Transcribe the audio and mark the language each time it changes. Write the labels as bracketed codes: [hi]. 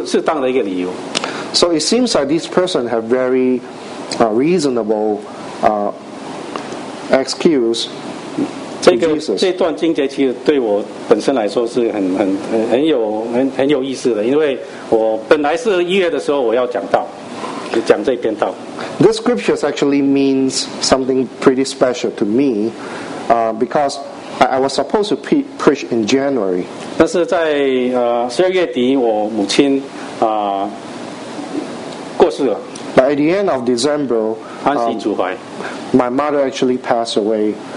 [en] So it seems like this person have very reasonable excuse. [zh] 这段经节其实对我本身来说是很有意思的，因为我本来是一月的时候我要讲到，讲这篇道。 [en] This scripture actually means something pretty special to me, because I was supposed to preach in January. [zh] 但是在十二月底，我母亲过世了。 [en] But at the end of December, [zh] 安息主怀, [en] my mother actually passed away.